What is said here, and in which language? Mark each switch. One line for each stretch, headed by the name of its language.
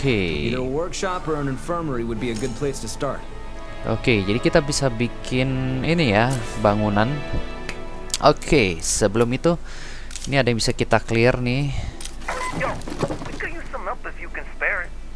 English: Either a workshop or an infirmary would be a good place to start.
Indonesian: Oke, jadi kita bisa bikin ini ya, bangunan. Oke, sebelum itu ini ada yang bisa kita clear nih.
English: Yo, we could use some help if you can spare it.